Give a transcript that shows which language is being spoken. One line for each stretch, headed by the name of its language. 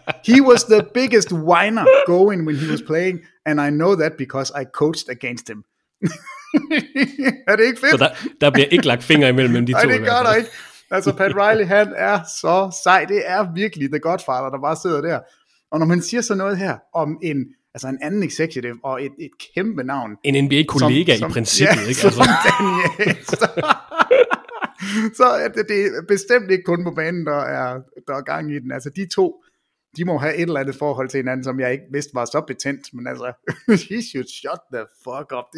English: He was the biggest whiner going when he was playing, and I know that because I coached against him.
Danish: Er det ikke fedt? Så der bliver ikke lagt fingre imellem de to. Nej, det gør der ikke. Altså, Pat Riley, han er så sej. Det er virkelig The Godfather, der bare sidder der. Og når man siger sådan noget her om en anden executive og et kæmpe navn. En NBA-kollega i princippet, ja, ikke? Altså. Som Daniel. Så det er bestemt ikke kun på banen, der er gang i den. Altså, de to, de må have et eller andet forhold til hinanden, som jeg ikke vidste var så betændt. Men altså,
English: he should shut the fuck up.